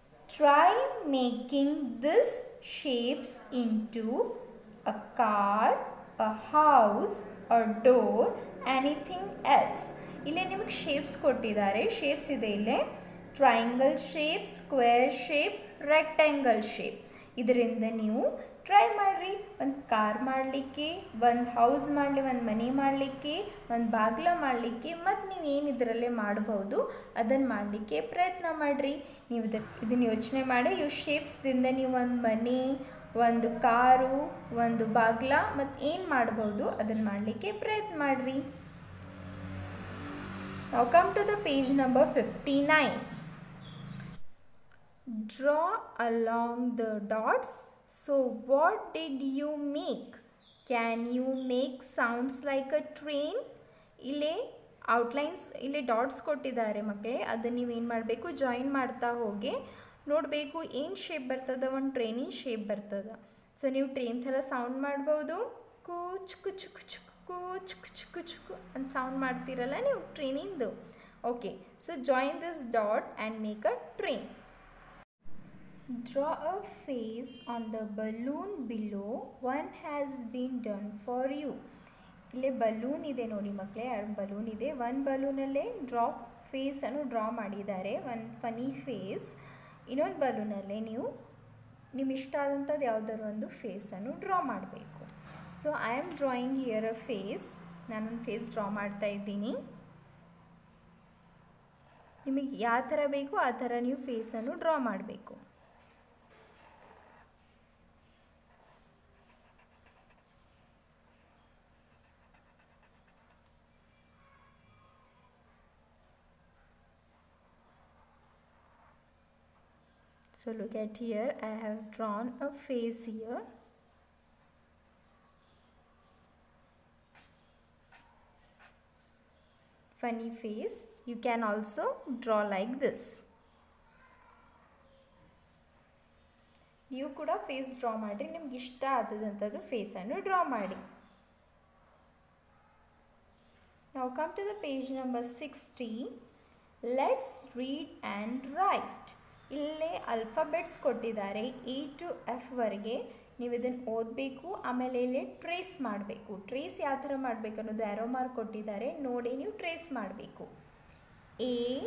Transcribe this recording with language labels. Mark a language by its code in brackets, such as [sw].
[en] Try making this shapes into a car, a house, a door, anything else. [kn] ಇಲ್ಲಿ ನಿಮಗೆ shapes ಕೊಟ್ಟಿದ್ದಾರೆ. Shapes ಇದೆ ಇಲ್ಲಿ. Triangle shape, square shape, rectangle shape. ಇದರಿಂದ ನೀವು ಟ್ರೈ ಮಾಡ್ರಿ. ಒಂದು ಕಾರ್ ಮಾಡಲಿಕ್ಕೆ, ಒಂದು ಹೌಸ್ ಮಾಡಲಿ, ಒಂದು ಮನೆ ಮಾಡಲಿಕ್ಕೆ, ಒಂದು ಬಾಗಿಲ ಮಾಡಲಿಕ್ಕೆ, ಮತ್ತು ನೀವು ಏನು ಇದರಲ್ಲೇ ಮಾಡಬಹುದು ಅದನ್ನು ಮಾಡಲಿಕ್ಕೆ ಪ್ರಯತ್ನ ಮಾಡಿರಿ. ನೀವು ಇದನ್ನು ಯೋಚನೆ ಮಾಡಿ. ಇವು ಶೇಪ್ಸ್ದಿಂದ ನೀವು ಒಂದು ಮನೆ, ಒಂದು ಕಾರು, ಒಂದು ಬಾಗಿಲ, ಮತ್ತು ಏನು ಮಾಡಬಹುದು ಅದನ್ನು ಮಾಡಲಿಕ್ಕೆ ಪ್ರಯತ್ನ ಮಾಡಿರಿ. ನಾವು [en] Come to the page number 59. Draw along the dots. So what did you make? Can you make sounds like a train? [kn] ಇಲ್ಲಿ ಔಟ್ಲೈನ್ಸ್, ಇಲ್ಲಿ ಡಾಟ್ಸ್ ಕೊಟ್ಟಿದ್ದಾರೆ ಮಕ್ಕಳೇ. ಅದನ್ನು ನೀವು ಏನು ಮಾಡಬೇಕು? ಜಾಯಿನ್ ಮಾಡ್ತಾ ಹೋಗಿ ನೋಡಬೇಕು ಏನು ಶೇಪ್ ಬರ್ತದ. ಒಂದು ಟ್ರೈನಿನ ಶೇಪ್ ಬರ್ತದ. ಸೊ ನೀವು ಟ್ರೈನ್ ಥರ ಸೌಂಡ್ ಮಾಡ್ಬೋದು. ಕೂಚ್ ಕುಚ್ ಕುಚ್ ಕೂಚ್ ಕುಚ್ ಕುಚ್ ಅಂತ ಸೌಂಡ್ ಮಾಡ್ತೀರಲ್ಲ ನೀವು ಟ್ರೈನಿಂದು. [en] Okay, so join this dot and make a train. Draw a face on the balloon below. One has been done for you. [kn] ಇಲ್ಲಿ ಬಲೂನ್ ಇದೆ ನೋಡಿ ಮಕ್ಕಳೇ, ಎರಡು ಬಲೂನ್ ಇದೆ. ಒಂದು ಬಲೂನಲ್ಲೇ ಡ್ರಾ ಫೇಸನ್ನು ಡ್ರಾ ಮಾಡಿದ್ದಾರೆ, [en] One funny face. [kn] ಇನ್ನೊಂದು ಬಲೂನಲ್ಲೇ ನೀವು ನಿಮ್ಮ ಇಷ್ಟ ಆದಂಥದ್ದು ಯಾವುದಾದ್ರು ಒಂದು ಫೇಸನ್ನು ಡ್ರಾ ಮಾಡಬೇಕು. [en] So I am drawing here a face. [kn] ನಾನೊಂದು ಫೇಸ್ ಡ್ರಾ ಮಾಡ್ತಾ ಇದ್ದೀನಿ. ನಿಮಗೆ ಯಾವ ಥರ ಬೇಕು ಆ ಥರ ನೀವು ಫೇಸನ್ನು ಡ್ರಾ ಮಾಡಬೇಕು. [en] So look at here, I have drawn a face here. Funny face. You can also draw like this. [kn] ನೀವು ಕೂಡ ಫೇಸ್ ಡ್ರಾ ಮಾಡಿರಿ. ನಿಮ್ಗೆ ಇಷ್ಟ ಆದದಂಥದ್ದು ಫೇಸನ್ನು ಡ್ರಾ ಮಾಡಿ. [en] Now come to the page number 60. Let's read and write. [kn] ಇಲ್ಲೇ alphabets ಕೊಟ್ಟಿದ್ದಾರೆ A to F ವರೆಗೆ ನೀವು ಇದನ್ನು ಓದಬೇಕು ಆಮೇಲೆ ಇಲ್ಲೇ ಟ್ರೇಸ್ ಮಾಡಬೇಕು ಟ್ರೇಸ್ ಯಾವ ಥರ ಮಾಡಬೇಕು ಅನ್ನೋದು ಆರೋ ಮಾರ್ಕ್ ಕೊಟ್ಟಿದ್ದಾರೆ ನೋಡಿ ನೀವು ಟ್ರೇಸ್ ಮಾಡಬೇಕು ಎ